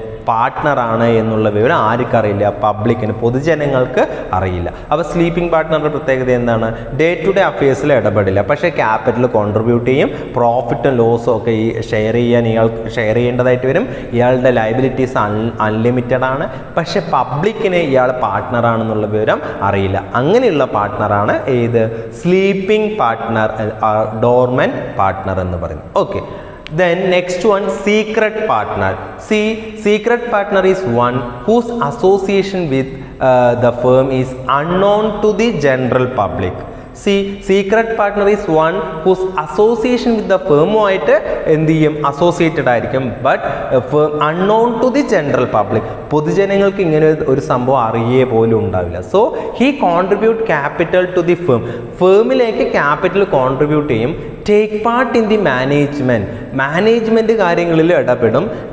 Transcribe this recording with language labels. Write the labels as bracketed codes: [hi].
[ml] പാർട്ട്ണറാണ് എന്നുള്ള വിവരം ആർക്കറിയില്ല പബ്ലിക്കിന് പൊതുജനങ്ങൾക്ക് അറിയില്ല അപ്പോൾ സ്ലീപ്പിംഗ് പാർട്ട്ണറുടെ പ്രത്യേകത എന്താണ് ഡേ ടു ഡേ അഫയേഴ്സിൽ ഇടപെടില്ല പക്ഷേ ക്യാപിറ്റൽ കോൺട്രിബ്യൂട്ട് ചെയ്യും പ്രോഫിറ്റും ലോസും ഒക്കെ ഈ ഷെയർ ചെയ്യാൻ ഇയാൾക്ക് ഷെയർ ചെയ്യേണ്ടതായിട്ട് വരും ഇയാളുടെ ലയബിലിറ്റീസ് അൺലിമിറ്റഡാണ് പക്ഷേ പബ്ലിക്കിന് ഇയാൾ പാർട്ട്ണറാണെന്നുള്ള വിവരം അറിയില്ല അങ്ങനെയുള്ള പാർട്ട്ണറാണ് ഏത് സ്ലീപ്പിംഗ് പാർട്ട്ണർ ഡോർമൻ പാർട്ട്ണർ എന്ന് പറയുന്നു okay [en] Then next one, secret partner. See, secret partner is one whose association with the firm is unknown to the general public. See, secret partner is one whose association with the firm [ml] ആയിട്ട് എന്ത് ചെയ്യും associated ആയിരിക്കും [en] but unknown to the general public [ml] പൊതുജനങ്ങൾക്ക് ഇങ്ങനെ ഒരു സംഭവം അറിയേ പോലും ഉണ്ടാവില്ല [en] so he contribute capital to the firm [ml] ഫേമിലേക്ക് capital contribute ചെയ്യും [en] take part in the management [ml] management കാര്യങ്ങളിൽ ഇടപെടും